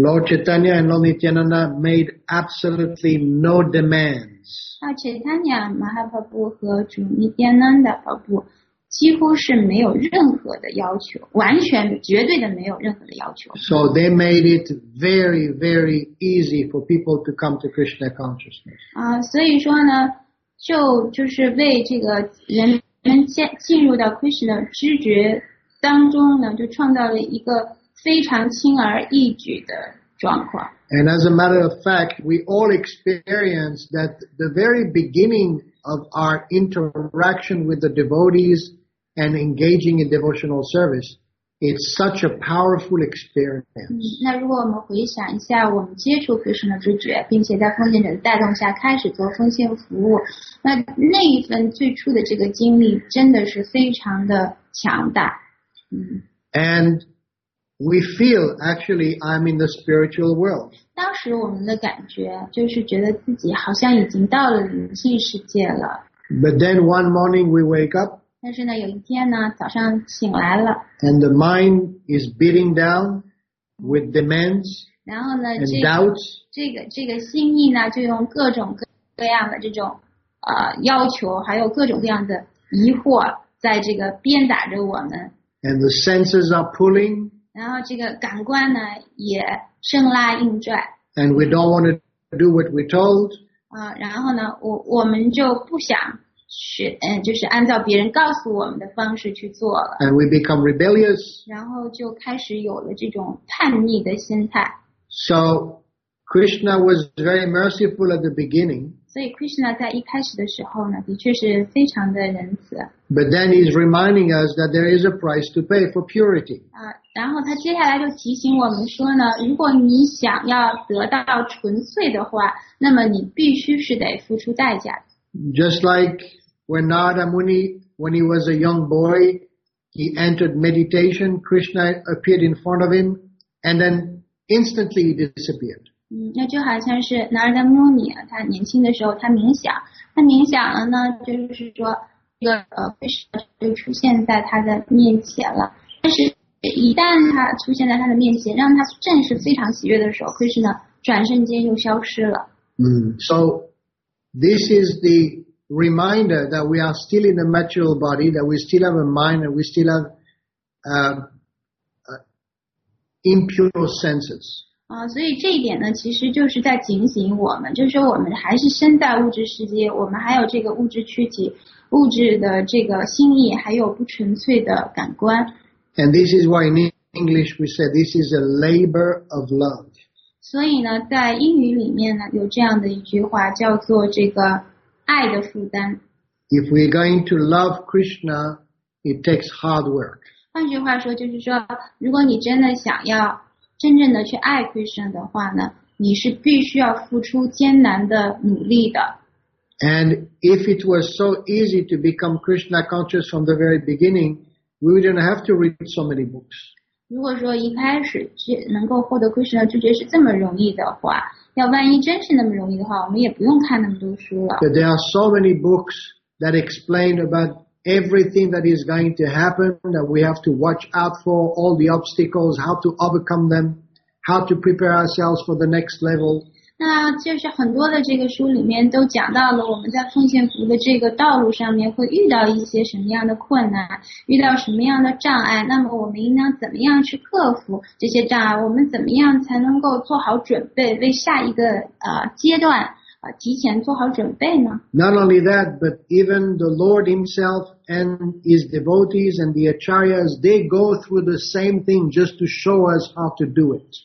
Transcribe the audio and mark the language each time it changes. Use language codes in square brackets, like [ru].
[en] Lord Chaitanya and Lord Nityananda made absolutely no demands. [zh] 那 Chaitanya Mahaprabhu 和主 Nityananda Prabhu几乎是没有任何的要求，完全绝对的没有任何的要求。 [en] So they made it very, very easy for people to come to Krishna consciousness. [zh] 所以说呢，就是为这个人们进入到 Krishna 知觉当中呢，就创造了一个非常轻而易举的状况。 [en] And as a matter of fact, we all experience that the very beginning of our interaction with the devotees and engaging in devotional service, it's such a powerful experience. [zh] 那如果我们回想一下，我们接触 Krishna 之觉，并且在奉献者的带动下开始做奉献服务，那一份最初的这个经历真的是非常的强大。 [en] And we feel actually I'm in the spiritual world. [zh] 当时我们的感觉就是觉得自己好像已经到了灵性世界了。 [en] But then one morning we wake up. [zh] 但是呢，有一天呢，早上醒来了。 [en] And the mind is beating down with demands. [zh] 然后呢，这 [en] and doubts. [zh] 这个心意呢，就用各种各样的这种要求，还有各种各样的疑惑，在这个鞭打着我们。 [en] And the senses are pulling. [zh] 然后这个感官呢也生拉硬拽。 [en] And we don't want to do what we're told. [zh] 然后呢我们就不想是就是按照别人告诉我们的方式去做了。 [en] And we become rebellious. [zh] 然后就开始有了这种叛逆的心态。 [en] So,Krishna was very merciful at the beginning. [zh] 所以 Krishna 在一开始的时候呢的确是非常的仁慈。 [en] But then he's reminding us that there is a price to pay for purity. [zh] 然后他接下来就提醒我们说呢如果你想要得到纯粹的话那么你必须是得付出代价的。 [en] Just like when Narada Muni, when he was a young boy, he entered meditation, Krishna appeared in front of him, and then instantly he disappeared. [zh] 那就好像是南尔达穆尼啊，他年轻的时候他冥想了呢，就是说这个菩萨就出现在他的面前了。但是，一旦他出现在他的面前，让他正是非常喜悦的时候，菩萨呢，转瞬间又消失了。 [en] So this is the reminder that we are still in the material body, that we still have a mind, and we still have impure senses. [zh] 所以这一点呢其实就是在警醒我们就是说我们还是身在物质世界我们还有这个物质躯体物质的这个心意还有不纯粹的感官。 [en] And this is why in English we say this is a labor of love. [zh] 所以呢在英语里面呢有这样的一句话叫做这个爱的负担。 [en] If we're going to love Krishna, it takes hard work. [zh] 换句话说就是说如果你真的想要真正的去爱 Krishna 的话呢，你是必须要付出艰难的努力的。 [en] And if it was so easy to become Krishna conscious from the very beginning, we wouldn't have to read so many books. [zh] 如果说一开始能够获得 Krishna 知觉是这么容易的话，要万一真是那么容易的话，我们也不用看那么多书了。 [en] But there are so many books that explain about everything that is going to happen that we have to watch out for all the obstacles how to overcome them how to prepare ourselves for the next level [zh] 那就是很多的这个书里面都讲到了我们在奉献服的这个道路上面会遇到一些什么样的困难遇到什么样的障碍那么我们应当怎么样去克服这些障碍我们怎么样才能够做好准备为下一个阶段提前做好准备呢? [en] Not only that, but even the Lord himself and his devotees and the acharyas, they go through the same thing just to show us how to do it.